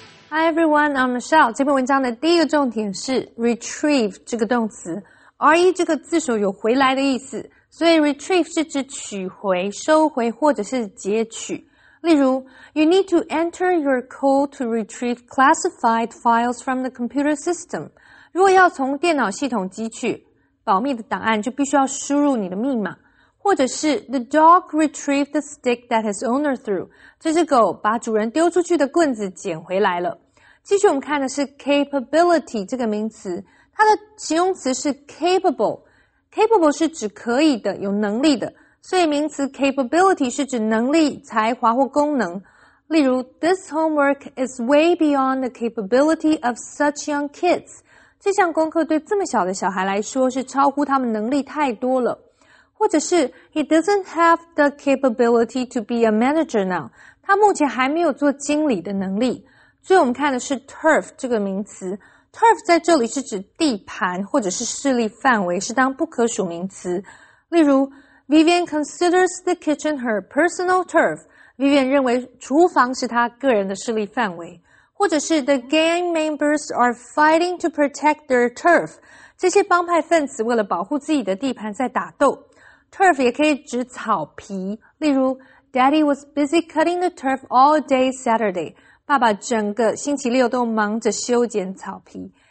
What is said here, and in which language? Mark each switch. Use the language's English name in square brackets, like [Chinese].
[English] Hi everyone, I'm Michelle. [Chinese] 这篇文章的第一个重点是 retrieve 这个动词。 RE 这个字首有回来的意思，所以 retrieve 是指取回、收回或者是截取。例如 [English] ,you need to enter your code to retrieve classified files from the computer system. [Chinese] 如果要从电脑系统汲取保密的档案就必须要输入你的密码。或者是 [English] the dog retrieved the stick that his owner threw. [Chinese] 这只狗把主人丢出去的棍子捡回来了。继续我们看的是 capability 这个名词。它的形容词是 capable。 capable 是指可以的、有能力的。所以名词 capability 是指能力、才华或功能。例如 [English] this homework is way beyond the capability of such young kids. [Chinese] 这项功课对这么小的小孩来说是超乎他们能力太多了。或者是 [English] he doesn't have the capability to be a manager now. [Chinese] 他目前还没有做经理的能力。最后我们看的是 turf 这个名词。 turf 在这里是指地盘或者是势力范围，是当不可数名词。例如 [English] Vivian considers the kitchen her personal turf. [Chinese] Vivian 认为厨房是他个人的势力范围。或者是 [English] the gang members are fighting to protect their turf. [Chinese] 这些帮派分子为了保护自己的地盘在打斗。 [English] Turf [Chinese] 也可以指草皮，例如 [English] Daddy was busy cutting the turf all day Saturday. [Chinese] 爸爸整个星期六都忙着修剪草皮。